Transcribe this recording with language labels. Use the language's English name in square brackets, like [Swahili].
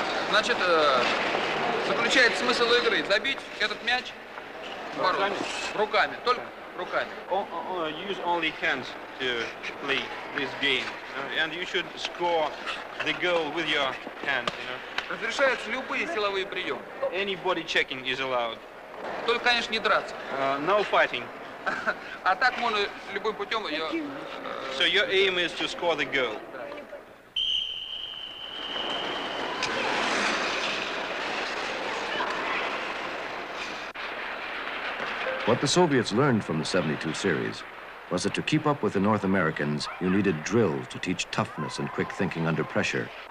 [Russian] Значит, заключается смысл игры забить этот мяч руками, только руками. [English] Use only hands to play this game, and you should score the goal with your hands. [Russian] Разрешаются любые силовые приемы. [English] Any body checking is allowed. [Russian] Только, конечно, не драться. [English] No fighting. [Russian] А так можно любым путем ее. [English] So your aim is to score the goal. What the Soviets learned from the 72 series was that to keep up with the North Americans, you needed drills to teach toughness and quick thinking under pressure.